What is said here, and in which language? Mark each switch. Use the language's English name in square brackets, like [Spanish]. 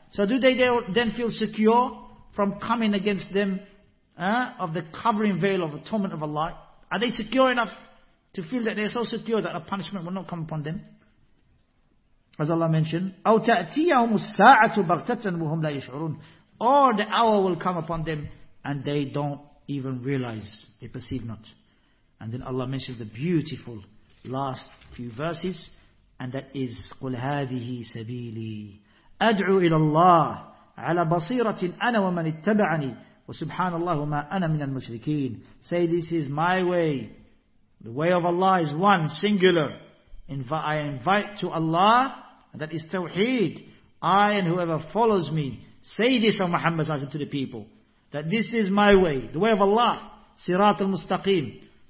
[English] So do they then feel secure from coming against them of the covering veil of atonement of Allah? Are they secure enough? to feel that they are so secure that a punishment will not come upon them. As Allah mentioned, [Arabic] أَوْ تَأْتِيَهُمُ السَّاعَةُ بَغْتَةً وَهُمْ لَا يَشْعُرُونَ, [English] or the hour will come upon them and they don't even realize, they perceive not. And then Allah mentioned the beautiful last few verses, and that is, [Arabic] قُلْ هَذِهِ سَبِيلِي أَدْعُوا إِلَى اللَّهِ عَلَى بَصِيرَةٍ أَنَا وَمَنِ اتَّبَعَنِي وَسُبْحَانَ اللَّهُ مَا أَنَا مِنَ الْمُشْرِكِينَ. [English] Say, this is my way. The way of Allah is one, singular. I invite to Allah, and that is Tawheed. I and whoever follows me, say this, O Muhammad Sallallahu Alaihi Wasallam, to the people, that this is my way, the way of Allah, Sirat al-Mustaqim.